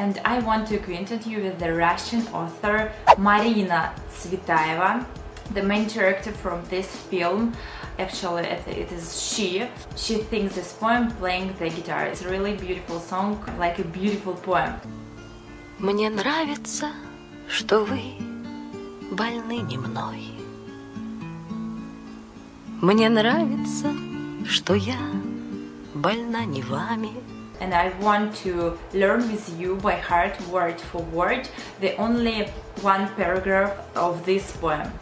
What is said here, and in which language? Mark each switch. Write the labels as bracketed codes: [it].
[en] And I want to acquaint you with the Russian author Marina Tsvetaeva, the main character from this film. Actually, it is she. She sings this poem playing the guitar. It's a really beautiful song, like a beautiful poem. [ru] Мне нравится, что вы больны не мной. Мне нравится, что я больна не вами. [en] And I want to learn with you by heart, word for word, the only one paragraph of this poem.